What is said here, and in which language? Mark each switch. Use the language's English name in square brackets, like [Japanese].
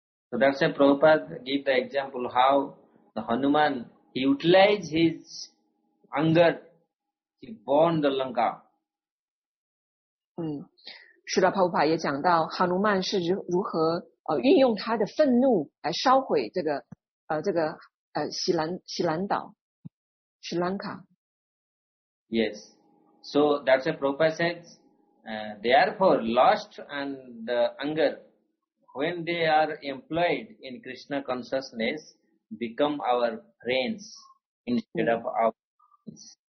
[English] So that's why Prabhupada gave the example how the Hanuman, he utilized his anger, he burned the Lanka. [Chinese] 嗯，是的，帕布帕也讲到哈努曼是如何运用他的愤怒来烧毁这个锡兰岛，斯里兰卡。 [English] Yes, so that's why Prabhupada says, therefore lust and the anger. When they are employed in Krishna consciousness, become our friends instead of our enemies.